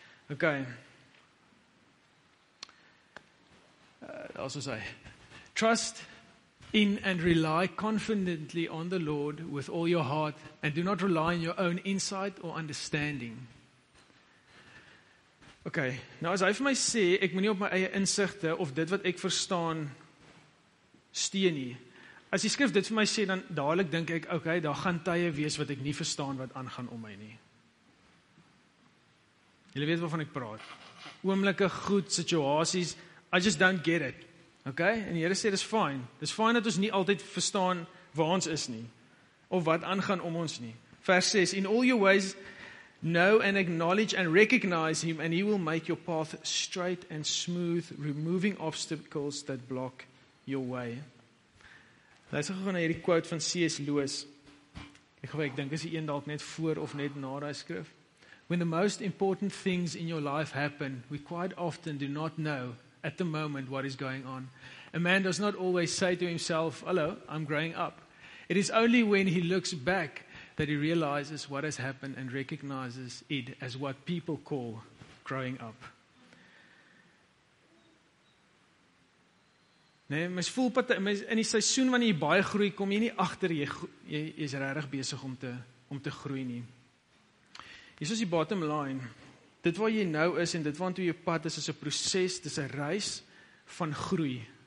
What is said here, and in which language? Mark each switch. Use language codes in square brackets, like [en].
[en] Ok, also sê, trust in and rely confidently on the Lord with all your heart and do not rely on your own insight or understanding. [af] Okay, nou as hy vir my sê, ek moet nie op my eie insigte of dit wat ek verstaan steun nie. As die skrif dit vir my sê, dan dadelik dink ek, okay, daar gaan tye wees wat ek nie verstaan wat aangaan om my nie. Julle weet waarvan ek praat. Oomblikke, goed, situasies, [en] I just don't get it. [af] Ok, en die Here sê, dis fine dat ons nie altyd verstaan waar ons is nie, of wat aangaan om ons nie. [en] Vers 6, in all your ways, know and acknowledge and recognize him, and he will make your path straight and smooth, removing obstacles that block your way. [af] Luister gewoon na hierdie quote van C.S. Lewis. Ek dink, is die een dalk net voor of net na die skrif. [en] When the most important things in your life happen, we quite often do not know at the moment what is going on. A man does not always say to himself, hello, I'm growing up. It is only when he looks back that he realizes what has happened and recognizes it as what people call growing up. [af] Nee, mens voel pat, mens, in die seisoen wanneer jy baie groei, kom jy nie achter, jy is regtig besig om te groei nie. Hier is die bottom line. Dit waar jy nou is en dit waantoe jou pad is, is 'n proses, dis 'n reis van groei.